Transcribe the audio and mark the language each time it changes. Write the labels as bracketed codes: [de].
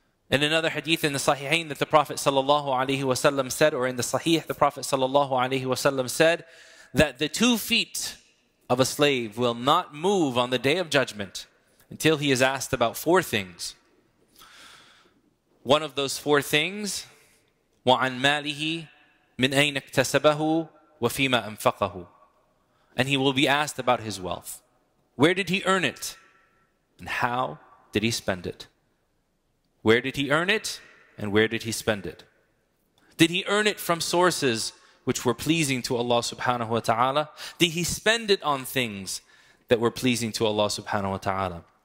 [en] In another hadith in the Sahihain that the Prophet sallallahu alayhi wa sallam said, or in the Sahih, the Prophet sallallahu alayhi wa sallam said, that the 2 feet of a slave will not move on the Day of Judgment until he is asked about 4 things. One of those 4 things, [ar] وَعَنْ مَالِهِ مِنْ أَيْنَ اكْتَسَبَهُ وَفِيمَا أَنْفَقَهُ. [en] And he will be asked about his wealth. Where did he earn it? And how did he spend it? Where did he earn it? And where did he spend it? Did he earn it from sources which were pleasing to Allah subhanahu wa ta'ala? Did he spend it on things that were pleasing to Allah subhanahu wa ta'ala?